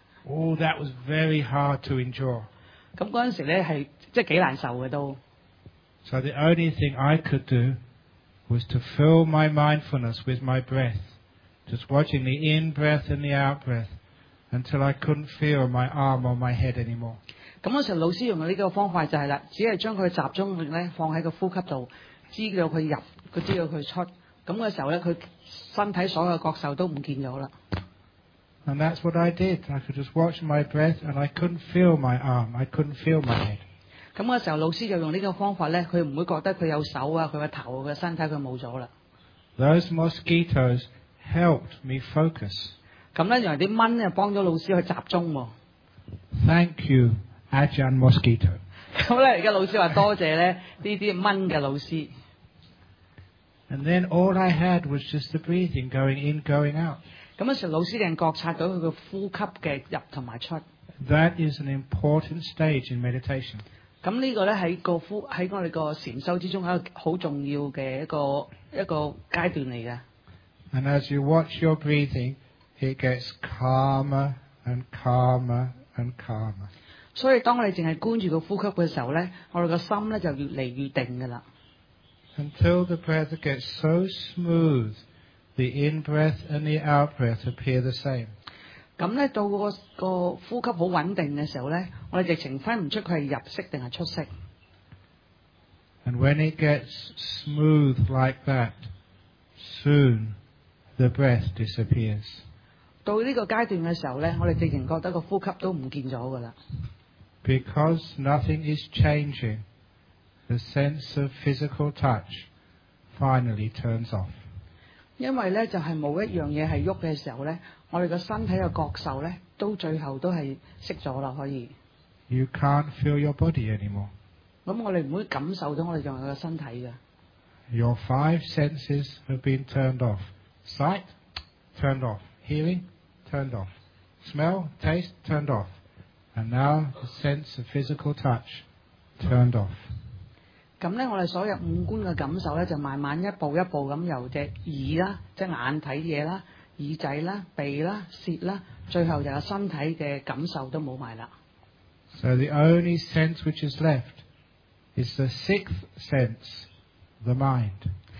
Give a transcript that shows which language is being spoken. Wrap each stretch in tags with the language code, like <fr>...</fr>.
<en>Oh, that was very hard to endure.</en> <yue>咁嗰陣時咧係即係幾難受嘅都。</yue> <en>So the only thing I could do. Was to fill my mindfulness with my breath, just watching the in breath and the out breath, until I couldn't feel my arm or my head anymore.</en> <yue>咁嗰時老師用嘅呢個方法就係啦，只係將佢集中力咧放喺個呼吸度，知道佢入，佢知道佢出。咁嘅時候咧，佢身體所有角受都唔見咗啦。</yue> <en>And that's what I did. I could just watch my breath, and I couldn't feel my arm. I couldn't feel my head.</en> <yue>咁嘅時候，老師就用呢個方法咧，佢唔會覺得佢有手啊，佢個頭啊，佢身體佢冇咗啦。</yue> <en>Those mosquitoes helped me focus。</en> <yue>咁咧，原來啲蚊又幫咗老師去集中喎。</yue> <en>Thank you, Ajahn Mosquito。</en> <yue>咁咧，而家老師話多謝咧呢啲蚊嘅老師。</yue> <en>And then all I had was just the breathing, going in, going out。</en> <yue>咁嗰時老師就覺察到佢嘅呼吸嘅入同埋出。</yue> <en>That is an important stage in meditation。</en> <yue>咁呢個咧喺我哋個禅修之中一個好重要嘅一個階段嚟嘅。</yue> <en>And as you watch your breathing, it gets calmer and calmer and calmer.</en> <yue>所以當我哋淨係觀住個呼吸嘅時候咧，我哋個心咧就越嚟越定嘅啦。</yue> <en>Until the breath gets so smooth, the in breath and the out breath appear the same.</en> <yue>咁咧，到個呼吸好穩定嘅時候咧，我哋直情分唔出佢係入息定係出息。</yue> <en>And when it gets smooth like that, soon the breath disappears.</en> <yue>到呢個階段嘅時候咧，我哋直情覺得個呼吸都唔見咗噶啦。</yue> <en>Because nothing is changing, the sense of physical touch finally turns off.</en> <yue>因為咧，就係冇一樣嘢係喐嘅時候咧。我哋个身体嘅觉受咧，都最后都系熄咗啦，可以。</yue> <en>You can't feel your body anymore。</en> <yue>咁我哋唔会感受到我哋仲有个身体噶。</yue> <en>Your five senses have been turned off. Sight turned off. Hearing turned off. Smell, taste turned off. And now the sense of physical touch turned off.</en> <yue>咁咧，我哋所有五官嘅感受咧，就慢慢一步一步咁由只耳啦，即系眼睇嘢啦。耳仔啦、鼻啦、舌啦，最後就有身體嘅感受都冇埋啦。</yue> <en>So the only sense which is left is the sixth sense, the mind.</en>